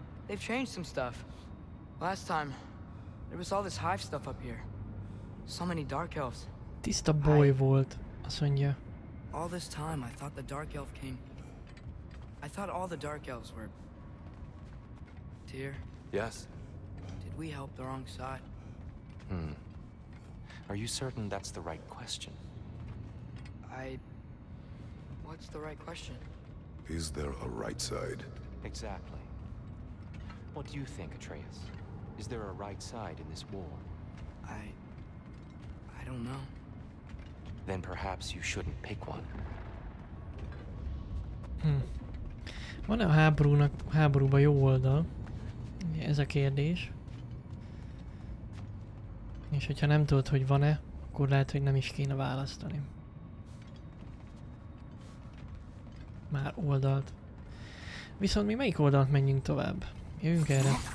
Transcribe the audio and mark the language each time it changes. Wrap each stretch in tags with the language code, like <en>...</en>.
<en>They've changed some stuff. Last time, there was all this hive stuff up here. So many dark elves.</en> <hu>Tiszta boly volt, azt mondja.</hu> <en>All this time, I thought the dark elf came... I thought all the dark elves were... dear? Yes. Did we help the wrong side? Are you certain that's the right question? What's the right question? Is there a right side? Exactly. What do you think, Atreus? Is there a right side in this war? I don't know. Then perhaps you shouldn't pick one.</en> <hu>Van a háborúnak, háborúba jó oldal? Ez a kérdés. És hogyha nem tudod, hogy van-e, akkor lehet, hogy nem is kéne választani. Már oldalt. Viszont mi melyik oldalt menjünk tovább? Jöjjünk erre.</hu>